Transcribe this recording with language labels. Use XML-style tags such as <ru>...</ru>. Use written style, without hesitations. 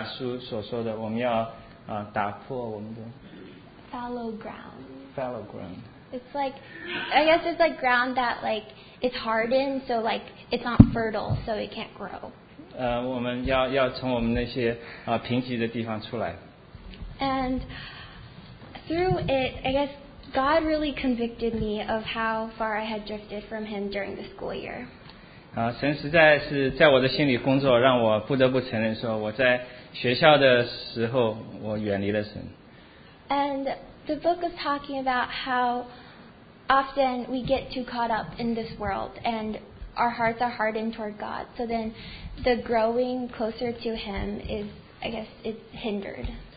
<zh>就像在何西亚书所说的，我们要打破我们的</zh> <en>fallow ground. It's like, I guess it's like ground that like it's hardened, so like it's not fertile, so it can't grow.</en> <zh>我们要从我们那些贫瘠的地方出来。</zh> <en>And through it, I guess God really convicted me of how far I had drifted from Him during the school year.</en> <zh>神实在是在我的心里工作，让我不得不承认说，我在学校的时候我远离了神。</zh> <en>And the book is talking about how often we get too caught up in this world, and our hearts are hardened toward God. So then, the growing closer to Him is, I guess, it's hindered.</en>